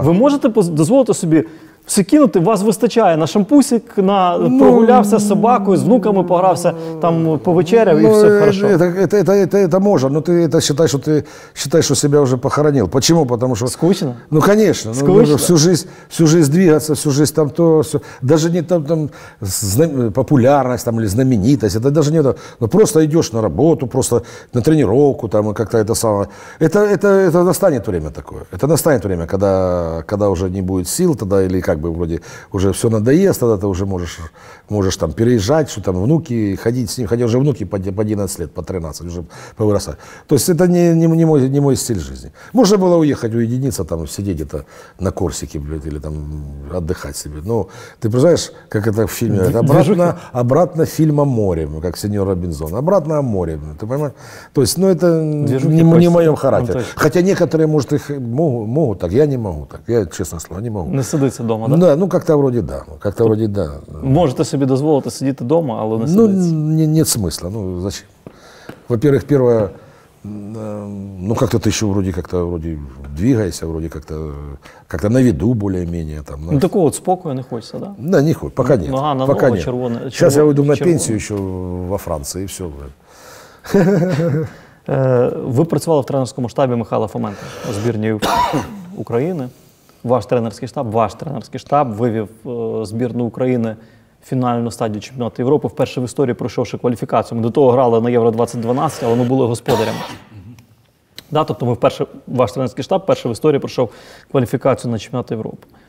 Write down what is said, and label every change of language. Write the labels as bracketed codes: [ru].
[uk] Ви можете дозволити собі все кинути, вас вистачає на шампусик, прогулявся з собакою, з внуками погрався, там повечеряв і [ru] все хорошо. Это можно, но ты считаешь, что себя уже похоронил. Почему? Потому что скучно. Ну, конечно, скучно. Ну, всю жизнь двигаться, всю жизнь там то, все. Даже не там популярность там или знаменитость, это даже не то. Ну, просто идёшь на работу, просто на тренировку там и как-то это самое. Это настанет время такое. Это настанет время, когда уже не будет сил тогда или как бы вроде уже все надоест, тогда ты уже можешь там переезжать, что там внуки, ходить с ним, хотя уже внуки по 11 лет, по 13, уже повырастали. То есть это не мой стиль жизни. Можно было уехать, уединиться, там сидеть где-то на Корсике, блядь, или там отдыхать себе. Но ты понимаешь, как это в фильме, обратно фильм о море, как сеньор Робинзон, обратно о море, ты понимаешь? То есть, ну это не в моем характере. Хотя некоторые, может, их могут так, я не могу так, я, честно слово, не могу. [uk] Не сидиться вдома, так? [ru] Да, ну как-то вроде да, как-то вроде да. [uk] Можете собі дозволити сидіти вдома, але не сидиться. [ru] Ну, нет смисла. Ну, зачем? Во-первых, первое, ну как-то ты еще вроде как-то вроде двигаешься, вроде как-то, как-то на виду более-менее. Там, ну такого вот спокойно не хочется, да? Да, не хочется, пока нет. Нога на пока ногу, нет. Червоная, червоная. Сейчас я уйду на пенсию еще во Франции и все. [uk] Ви працювали в тренерському штабі Михайла Фоменка у збірні України. Ваш тренерський штаб вивів збірну України в фінальну стадію чемпіонату Європи, вперше в історії пройшовши кваліфікацію. Ми до того грали на Євро-2012, але ми були господарями. Да, тобто ми вперше, ваш тренерський штаб вперше в історії пройшов кваліфікацію на чемпіонат Європи.